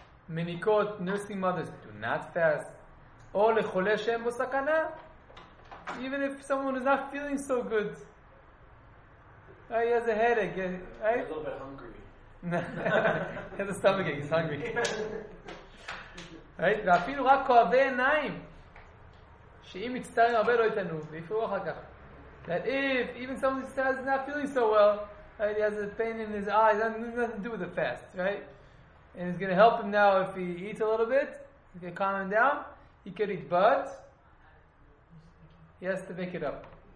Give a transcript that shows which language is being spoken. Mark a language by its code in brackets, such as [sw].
[en] Minikot, nursing mothers do not fast. Or [he] lechole shem b'sakana. [en] Even if someone is not feeling so good. He has a headache, right? He's a little bit hungry. He has a stomachache, he's hungry. Right? [he] ואפילו רק כואבי עיניים, שאם מצטערים הרבה לא יתנו, ויפרו אחר כך. [en] That if even someone says is not feeling so well, right, he has a pain in his eye, that has nothing to do with the fast, right? And it's going to help him now if he eats a little bit, he can calm him down, he could eat, but he has to make it up.